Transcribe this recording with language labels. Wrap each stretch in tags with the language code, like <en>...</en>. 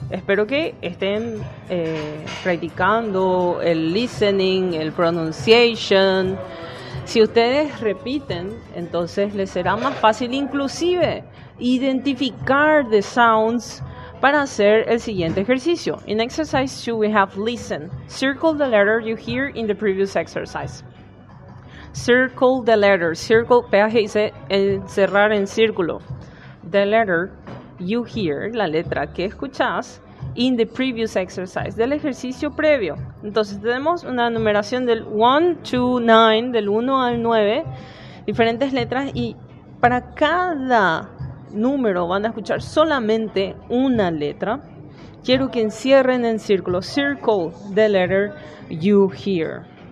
<es>Espero que estén practicando el listening, el pronunciation. Si ustedes repiten, entonces les será más fácil inclusive identificar the sounds para hacer el siguiente ejercicio.</es> <en>In exercise 2, we have listen. Circle the letter you hear in the previous exercise. Circle the letter.</en> <es>Circle, peaje, dice encerrar en círculo.</es> <en>The letter you hear,</en> <es>la letra que escuchas,</es> <en>in the previous exercise,</en> <es>del ejercicio previo. Entonces tenemos una numeración del 1, 2, 9, del 1 al 9, diferentes letras, y para cada número van a escuchar solamente una letra. Quiero que encierren en círculo.</es> <en>Circle the letter you hear.</en>